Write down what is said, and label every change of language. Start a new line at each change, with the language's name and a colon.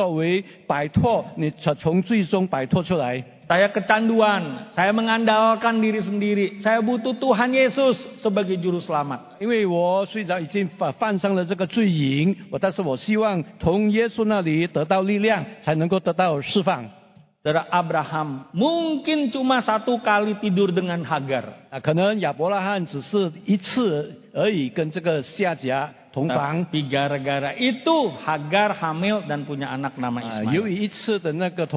Chinese: 那么，假如你深信自己是充满罪恶的人，那么不可能你自己能够有所作为，摆脱你从罪中摆脱出来。
Indonesian: Saya kecanduan, saya mengandalkan diri sendiri. Saya butuh Tuhan Yesus sebagai juru selamat.
Chinese: 因为我虽然已经犯上了这个罪瘾，但是我希望从耶稣那里得到力量，才能够得到释放。
Indonesian: Dari Abraham mungkin cuma satu kali tidur dengan Hagar.
Chinese: 可能亚伯拉罕只是一次而已跟这个夏甲同房。
Indonesian: Tapi gara-gara itu Hagar hamil dan punya anak nama Ismail.